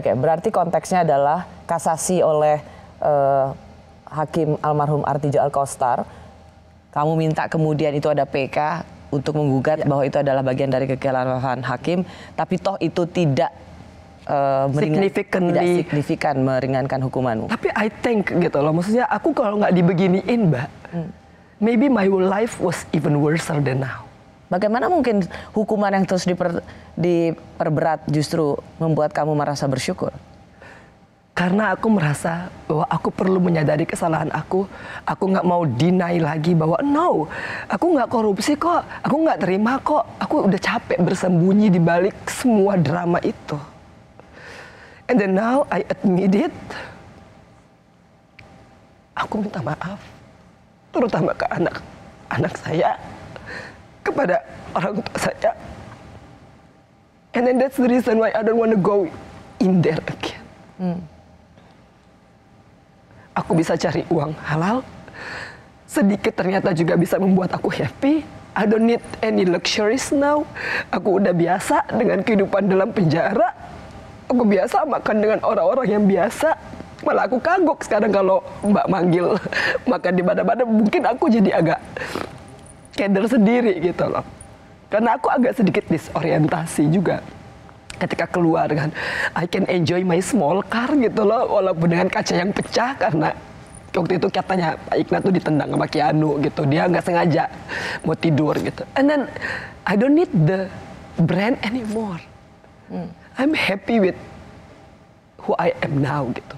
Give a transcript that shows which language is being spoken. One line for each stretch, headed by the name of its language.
Indonesian: Berarti konteksnya adalah kasasi oleh Hakim Almarhum Artijo Alkostar. Kamu minta kemudian itu ada PK. Untuk menggugat ya. Bahwa itu adalah bagian dari kekhilafan hakim, tapi toh itu tidak signifikan meringankan hukumanmu. Tapi
English: I think
Indonesian: gitu loh, maksudnya aku kalau nggak dibeginiin Mbak,
English: maybe my life was even worse than now.
Indonesian: Bagaimana mungkin hukuman yang terus diperberat justru membuat kamu merasa bersyukur? Karena aku merasa bahwa aku perlu menyadari kesalahan aku. Aku gak mau deny lagi bahwa no, aku gak korupsi kok. Aku gak terima kok. Aku udah capek bersembunyi di balik semua drama itu.
English: And then now I admit it.
Indonesian: Aku minta maaf. Terutama ke anak-anak saya. Kepada orang tua saya.
English: And then that's the reason why I don't wanna go in there again.
Indonesian: Aku bisa cari uang halal, sedikit ternyata juga bisa membuat aku happy.
English: I don't need any luxuries now.
Indonesian: Aku udah biasa dengan kehidupan dalam penjara. Aku biasa makan dengan orang-orang yang biasa. Malah aku kagok sekarang kalau Mbak manggil makan di mana-mana. Mungkin aku jadi agak keder sendiri gitu loh. Karena aku agak sedikit disorientasi juga. Ketika keluar kan,
English: I can enjoy my small car
Indonesian: gitu loh. Walaupun dengan kaca yang pecah karena waktu itu katanya Pak Ignat tuh ditendang sama Keanu gitu. Dia gak sengaja mau tidur gitu.
English: And then I don't need the brand anymore. I'm happy with who I am now gitu.